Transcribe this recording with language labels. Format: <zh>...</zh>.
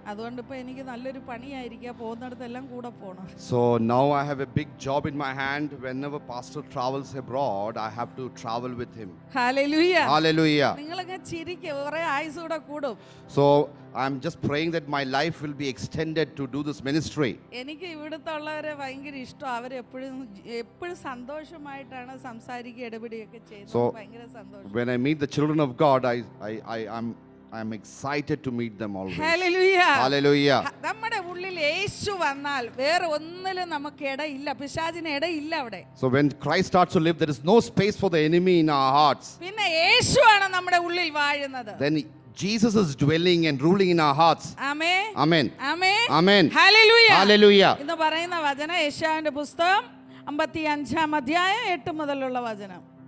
<ml>അതുകൊണ്ട് ഇപ്പോ എനിക്ക് നല്ലൊരു പണിയായിരിക്കാ പോകുന്നിടത്തെല്ലാം കൂടെ പോണം.</ml> <en>So now I have a big job in my hand. Whenever pastor travels abroad, I have to travel with him. Hallelujah. Hallelujah.</en> <ml>നിങ്ങളൊക്കെ ചിരിക്കേ ഒരേ ആയുസ് കൂടെ കൂടും.</ml> <en>So I'm just praying that my life will be extended to do this ministry.</en> <ml>എനിക്ക് ഇവിടത്തുള്ളവരെ ഭയങ്കര ഇഷ്ടം അവരെ എപ്പോഴും സന്തോഷമായിട്ടാണ് സംസാരിക്കുക ഇടപെടുകയൊക്കെ ചെയ്യുന്നത്</ml> <en>So when I meet the children of God I am excited to meet them always Hallelujah Hallelujah</en> <ml>നമ്മുടെ ഉള്ളിൽ യേശു വന്നാൽ വേറെ ഒന്നിലും നമുക്ക് ഇടയില്ല പിശാചിന് ഇടയില്ല അവിടെ</ml> <en>So when Christ starts to live there is no space for the enemy in our hearts</en> <ml>പിന്നെ യേശു ആണ് നമ്മുടെ ഉള്ളിൽ വാഴുന്നത്</ml> <en>Then Jesus is dwelling and ruling in our hearts Amen Amen Amen, Amen. Hallelujah Hallelujah</en> <ml>ഇന്ന് പറയുന്ന വചനം യെശയ്യാവിന്റെ പുസ്തകം 55ാം അധ്യായം 8 മുതലുള്ള വചനം</ml>